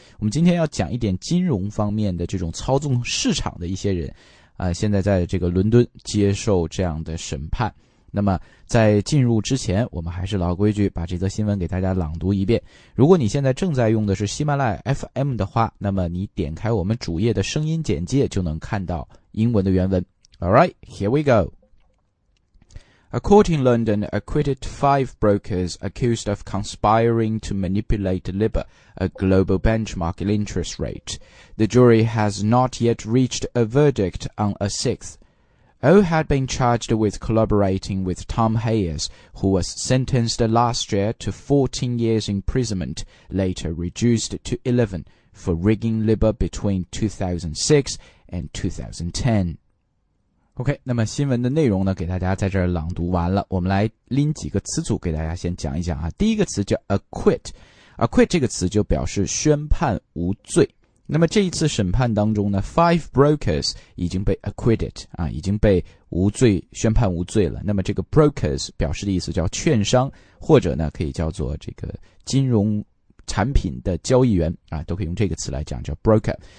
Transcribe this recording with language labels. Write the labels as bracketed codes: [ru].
[zh] 我们今天要讲一点金融方面的这种操纵市场的一些人，现在在这个伦敦接受这样的审判。那么在进入之前，我们还是老规矩，把这则新闻给大家朗读一遍。如果你现在正在用的是喜马拉雅 FM 的话，那么你点开我们主页的声音简介就能看到英文的原文。 [en] Alright, here we go. A court in London acquitted five brokers accused of conspiring to manipulate LIBOR, a global benchmark interest rate. The jury has not yet reached a verdict on a sixth. O had been charged with collaborating with Tom Hayes, who was sentenced last year to 14 years imprisonment, later reduced to 11, for rigging LIBOR between 2006 and 2010. [zh] OK, 那么新闻的内容呢给大家在这儿朗读完了。我们来拎几个词组给大家先讲一讲啊。第一个词叫 acquit。acquit 这个词就表示宣判无罪。那么这一次审判当中呢 , five brokers 已经被 acquitted, 啊已经被无罪宣判无罪了。那么这个 brokers 表示的意思叫券商，或者呢可以叫做这个金融产品的交易员啊，都可以用这个词来讲，叫 broker。